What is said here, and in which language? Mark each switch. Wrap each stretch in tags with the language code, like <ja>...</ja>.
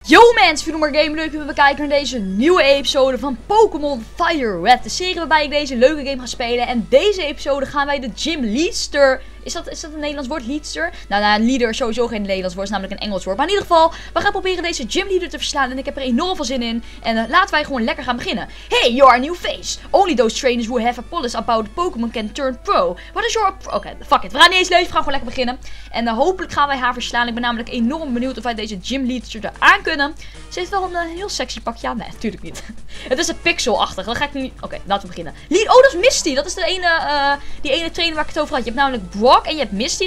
<nl>Yo mensen, vrienden maar game, leuk dat we kijken naar deze nieuwe episode van Pokémon Fire Red. De serie waarbij ik deze leuke game ga spelen. En deze episode gaan wij de Gym Leader. Is dat een Nederlands woord, Leader? Nou, Leader is sowieso geen Nederlands woord, is namelijk een Engels woord. Maar in ieder geval, we gaan proberen deze Gym Leader te verslaan. En ik heb er enorm veel zin in. En laten wij gewoon lekker gaan beginnen.</nl> <en>Hey, you're a new face. Only those trainers who have a policy about Pokémon can turn pro. What is your...</en> <nl>Oké, fuck it. We gaan niet eens lezen, we gaan gewoon lekker beginnen. En hopelijk gaan wij haar verslaan. Ik ben namelijk enorm benieuwd of wij deze Gym Leader er aan kunnen. Ze heeft wel een heel sexy pakje aan. Nee, tuurlijk niet. Het is een pixelachtig. Dan ga ik nu... Oké, laten we beginnen. Oh, dat is Misty. Dat is de ene, die ene trainer waar ik het over had. Je hebt namelijk Brock en je hebt Misty.</nl>